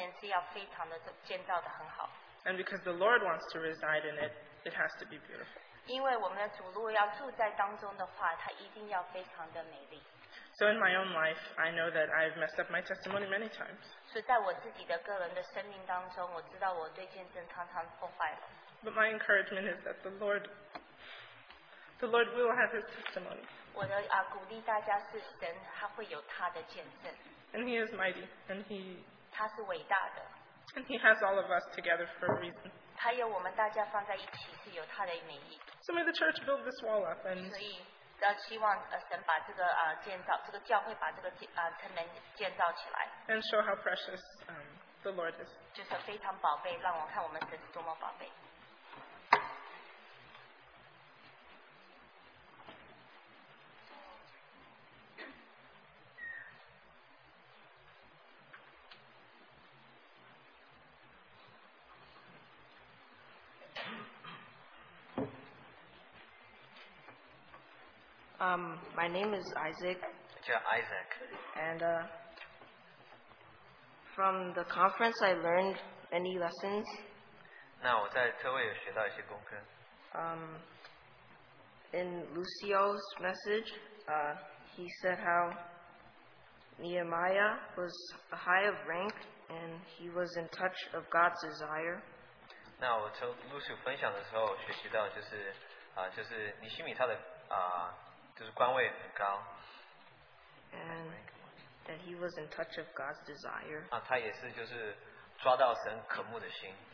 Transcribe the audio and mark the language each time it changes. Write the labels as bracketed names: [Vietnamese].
[English] And because the Lord wants to reside in it, it has to be beautiful. So in my own life, I know that I've messed up my testimony many times. [Chinese] 所以在我自己的个人的生命当中，我知道我对见证常常破坏了。 [English] But my encouragement is that the Lord will have his testimony. [Chinese] 我的, 鼓励大家是神，他会有他的见证。 [English] And he is mighty, and he [Chinese] 他是伟大的。 [English] And he has all of us together for a reason. [Chinese] 他有我们大家放在一起是有他的美意。 [English] So may the church build this wall up and [Chinese] 希望神把这个建造，这个教会把这个城门建造起来。 [English] And show how precious the Lord is. [Chinese] 就是非常宝贝，让我看我们神是多么宝贝。 [English] My name is Isaac. Isaac. And from the conference, I learned many lessons. [Chinese] 那我在特会有学到一些功课。 [English] In Lucio's message, he said how Nehemiah was a high of rank and he was in touch of God's desire. [Chinese] 那我从Lucio分享的时候学习到就是尼希米他的 就是官位很高, [English] and that he was in touch of God's desire. [Chinese] 他也是就是抓到神渴慕的心。